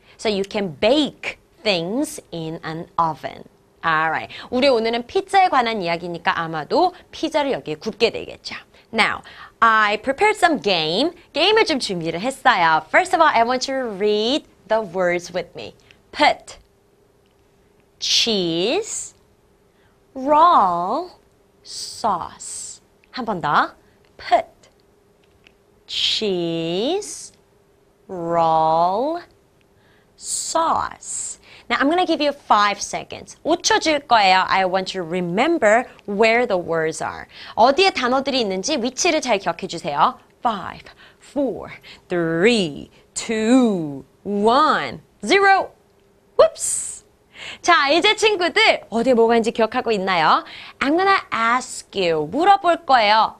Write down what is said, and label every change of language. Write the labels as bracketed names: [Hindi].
[English] So you can bake things in an oven. Alright. [Korean] 우리 오늘은 피자에 관한 이야기니까 아마도 피자를 여기에 굽게 되겠죠. [English] Now, I prepared some game. [Korean] 게임을 좀 준비를 했어요. [English] First of all, I want you to read the words with me. Put. Cheese. Raw sauce. [Korean] 한 번 더. [English] Put cheese, raw sauce. Now I'm going to give you 5 seconds. [Korean] 5초 줄 거예요. [English] I want you to remember where the words are. [Korean] 어디에 단어들이 있는지 위치를 잘 기억해 주세요. [English] 5, 4, 3, 2, 1, 0. Whoops! [Korean] 자, 이제 친구들 어디에 뭐가 있는지 기억하고 있나요? [English] I'm gonna ask you, [Korean] 물어볼 거예요.